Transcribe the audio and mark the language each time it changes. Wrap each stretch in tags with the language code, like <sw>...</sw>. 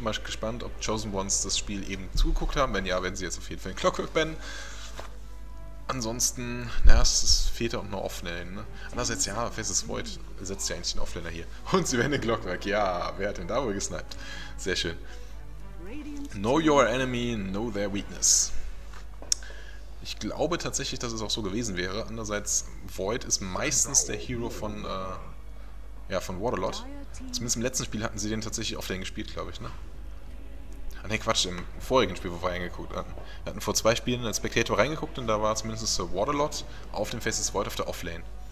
<de>Mal gespannt, ob Chosen Ones das Spiel eben zugeguckt haben. Wenn ja, werden sie jetzt auf jeden Fall den Clockwork bannen. Ansonsten, naja, es fehlt ja auch noch Offlane, ne? Andererseits, ja, Faces Void setzt ja eigentlich den Offlaner hier. Und sie werden den Glockwerk. Ja, wer hat denn da wohl gesniped? Sehr schön.</de> <en>Know your enemy, know their weakness.</en> <de>Ich glaube tatsächlich, dass es auch so gewesen wäre. Andererseits, Void ist meistens der Hero von, ja, von Waterlot. Zumindest im letzten Spiel hatten sie den tatsächlich Offlane gespielt, glaube ich, ne? Ah ne, Quatsch, im vorigen Spiel, wo wir reingeguckt hatten. Wir hatten vor zwei Spielen als Spectator reingeguckt und da war zumindest Sir Waterlot auf dem Faces Void auf der Offlane.</de>